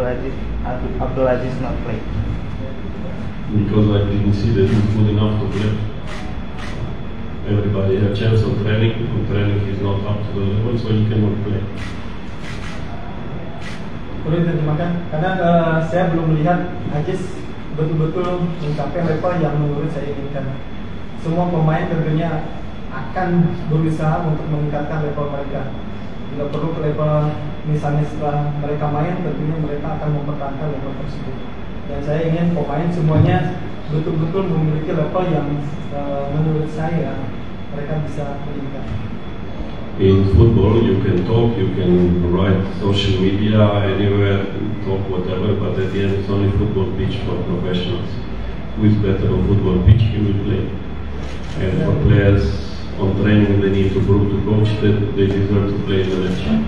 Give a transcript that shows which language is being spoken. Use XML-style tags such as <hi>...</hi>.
<en>Because I didn't see that he's good enough to play. everybody have a chance of training, and training is not up to the level, so you cannot play.</en> <id>Terima kasih. Karena saya belum melihat Hajis betul-betul mencapai level yang menurut saya inginkan. Semua pemain tentunya akan berusaha untuk meningkatkan level mereka. Bila perlu ke level misalnya setelah mereka main, tentunya mereka akan mempertahankan level tersebut. Dan saya ingin pemain semuanya betul-betul memiliki level yang menurut saya mereka bisa meningkat.</id> <en>In football, you can talk, you can write social media anywhere, talk whatever, but at the end, it's only football pitch for professionals. Who is better on football pitch, he will play. And for players on training, they need to prove to coach that they deserve to play in the match.</en>